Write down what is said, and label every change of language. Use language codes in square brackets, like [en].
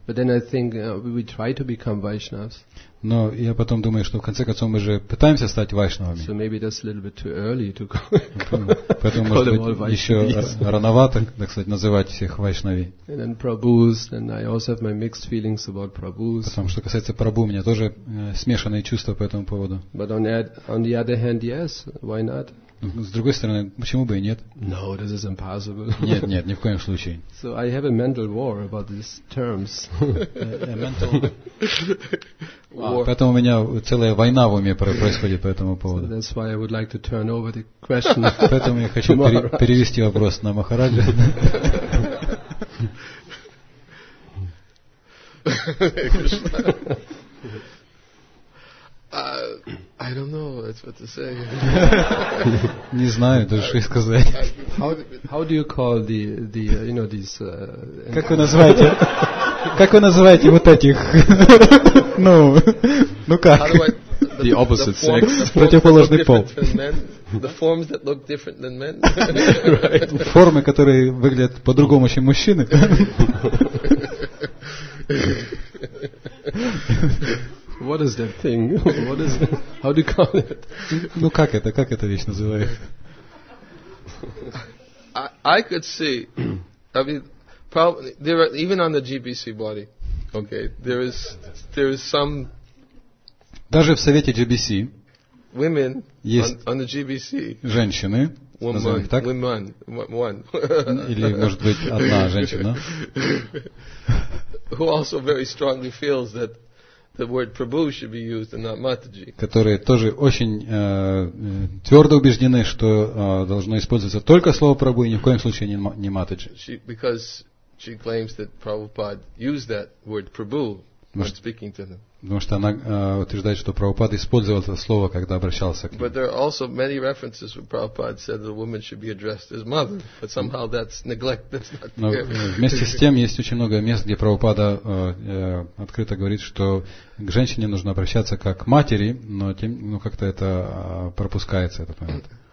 [en] But then I think we try to become Vaishnavs. [ru] Но я потом думаю, что в конце концов мы же пытаемся стать Вайшнавами. [en] So maybe that's a little bit too early to call. [ru] Поэтому, может быть, еще рановато, так сказать, называть всех Вайшнави. [en] And then Prabhus, and I also have my mixed feelings about Prabhus. [ru] Потому что касается Прабху, у меня тоже смешанные чувства по этому поводу. [en] But on the other hand, yes, why not? [ru] С другой стороны, почему бы и нет? [en] No, this is impossible. [ru] Нет, нет, ни в коем случае. [en] So I have a mental war about these terms. A mental war. [ru] Поэтому у меня целая война в уме происходит по этому поводу. [en] So that's why I would like to turn over the question. [ru] Поэтому я хочу перевести вопрос на Махараджу. [en] I don't know that's what to say. [ru] Не знаю, даже что сказать. [en] How do you call the you know these [ru] Как вы называете? Как вы называете вот этих? Ну, ну как? [en] The opposite sex. [ru] Противоположный пол. [en] The forms that look different than men. [ru] Формы, которые выглядят по-другому, чем мужчины. [en] What is that thing? What is it? How do you call it? [ru] Ну как это? Как это вещь называют? [en] I could see. I mean, probably there are, even on the GBC body. Okay, there is some. [ru] Даже в совете GBC. [en] Women [ru] есть [en] on the GBC. [ru] Женщины. [en] Woman. [ru] Так. [en] Woman. One. [ru] Или может быть одна женщина. [en] Who also very strongly feels that. The word Prabhu should be used and not Mataji. [ru] Которые тоже очень твердо убеждены, что должно использоваться только слово Прабху и ни в коем случае не Матаджи. [en] Because she claims that Prabhupada used that word Prabhu when speaking to them. [ru] Потому что она утверждает, что Прабхупада использовал это слово, когда обращался к ним. [en] But there are also many references where Prabhupada said that a woman should be addressed as mother, but somehow that's neglect. That's not there. [ru] Но вместе с тем есть очень много мест, где Прабхупада открыто говорит, что к женщине нужно обращаться как к матери, но тем, ну, как-то это пропускается, это понятно.